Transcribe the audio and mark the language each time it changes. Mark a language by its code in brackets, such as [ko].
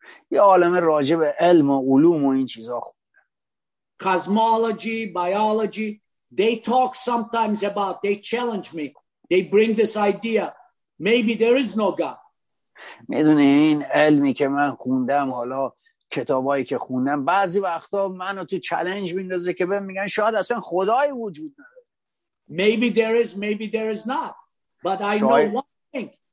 [fa] یه عالمه راجع به علم و علوم و این چیزا خونده. [en] Cosmology, biology, they talk sometimes about, they challenge me. They bring this idea. Maybe there is no God. [fa] میدونی این علمی که من خوندم حالا کتابایی که خوندم بعضی وقتا منو تو چالش میندازه که بهم میگن شاید اصلا خدایی وجود نداره. [en] Maybe there is, maybe there is not. But I know one thing.